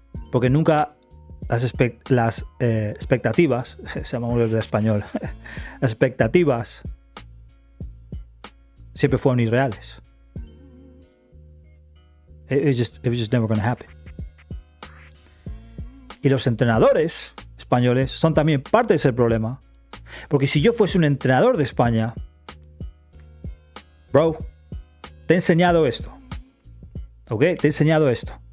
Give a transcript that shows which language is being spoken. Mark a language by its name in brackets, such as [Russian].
[Spanish] Porque nunca las expectativas, se llama un libro de español, expectativas, siempre fueron irreales. [English] It was just never going to happen. [Spanish] Y los entrenadores españoles son también parte de ese problema. Porque si yo fuese un entrenador de España, bro, te he enseñado esto. ¿Ok? Te he enseñado esto.